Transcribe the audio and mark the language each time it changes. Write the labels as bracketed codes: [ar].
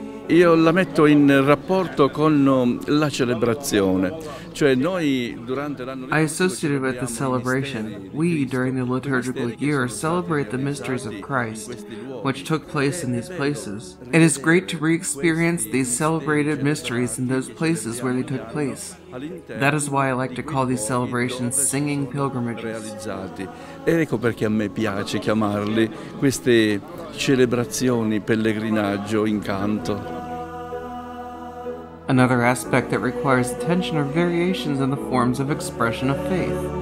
[it] Io la metto in rapporto con la celebrazione. Cioè noi durante l'anno. [en] I associate it with the celebration. We, during the liturgical year, celebrate the mysteries of Christ, which took place in these places. It is great to re-experience these celebrated mysteries in those places where they took place. That is why I like to call these celebrations singing pilgrimages. [it] Ecco perché a me piace chiamarli queste celebrazioni, pellegrinaggio, incanto. [en] Another aspect that requires attention are variations in the forms of expression of faith.